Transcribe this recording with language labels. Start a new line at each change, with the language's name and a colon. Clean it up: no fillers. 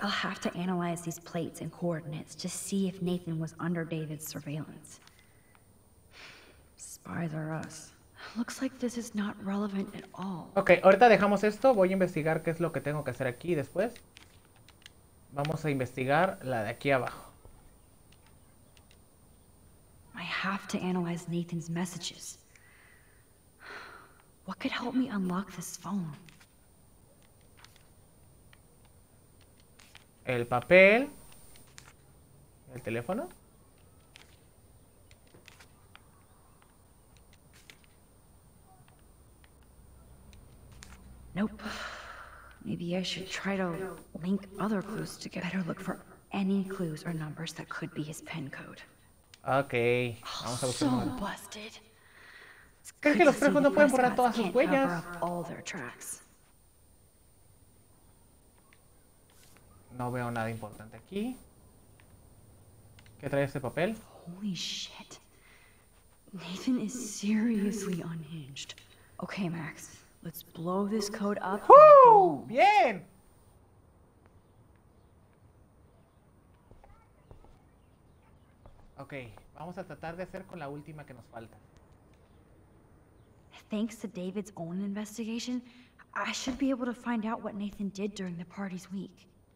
English: I'll have to analyze these plates and coordinates to see if Nathan was under David's surveillance. Spies are us. Looks like this is not relevant at all.
Spanish: Okay, ahorita dejamos esto. Voy a investigar qué es lo que tengo que hacer aquí. Después vamos a investigar la de aquí abajo.
English: I have to analyze Nathan's messages. What could help me unlock this phone?
Spanish: El papel. ¿El teléfono?
English: Nope. Maybe I should try to link other clues to get better look for any clues or numbers that could be his pin code. Okay.
Spanish: Vamos a buscar. So busted. Creo que los perros no pueden borrar todas sus huellas.
English: All their tracks.
Spanish: No veo nada importante aquí. ¿Qué trae este papel?
English: Holy shit. Nathan is seriously unhinged. Okay, Max. Let's blow this code up.
Spanish: ¡Woo! ¡Bien! Ok, vamos a tratar de hacer con la última que nos falta.
English: Thanks to David's own investigation, I should be able to find out what Nathan did during the party's week.